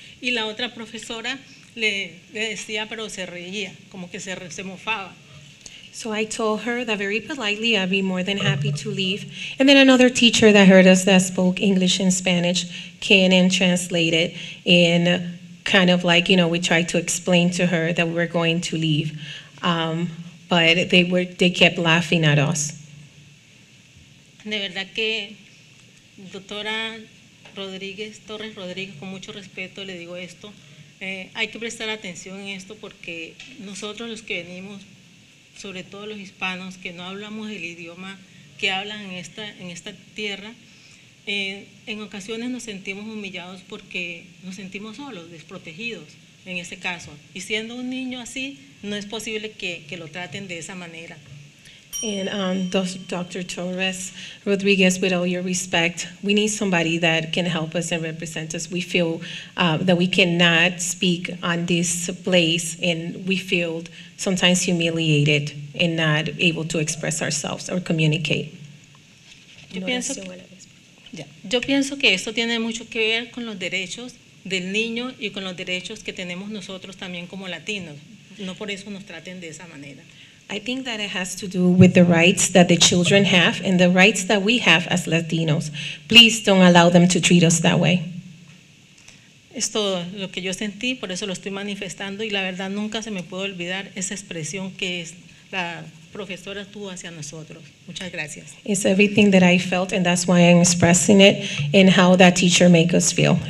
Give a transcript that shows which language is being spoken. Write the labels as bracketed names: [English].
[Spanish] Y la otra profesora le decía, pero se reía, como que se mofaba. [English] So I told her that very politely I'd be more than happy to leave. And then another teacher that heard us that spoke English and Spanish came and translated and kind of like, you know, we tried to explain to her that we were going to leave. But they kept laughing at us. [Spanish] De verdad que doctora Rodríguez, Torres Rodríguez, con mucho respeto le digo esto. Hay que prestar atención en esto porque nosotros los que venimos, sobre todo los hispanos, que no hablamos el idioma que hablan en esta tierra, en ocasiones nos sentimos humillados porque nos sentimos solos, desprotegidos en ese caso. Y siendo un niño así, no es posible que lo traten de esa manera. [English] And Dr. Torres Rodriguez, with all your respect, we need somebody that can help us and represent us. We feel that we cannot speak on this place, and we feel sometimes humiliated and not able to express ourselves or communicate. [Spanish] Yo pienso que esto tiene mucho que ver con los derechos del niño y con los derechos que tenemos nosotros también como latinos. No por eso nos traten de esa manera. [English] I think that it has to do with the rights that the children have and the rights that we have as Latinos. Please don't allow them to treat us that way. [Spanish] Es todo lo que yo sentí, por eso lo estoy manifestando, y la verdad nunca se me puede olvidar esa expresión que es la profesora tuvo hacia nosotros. Muchas gracias. [English] It's everything that I felt, and that's why I'm expressing it and how that teacher makes us feel.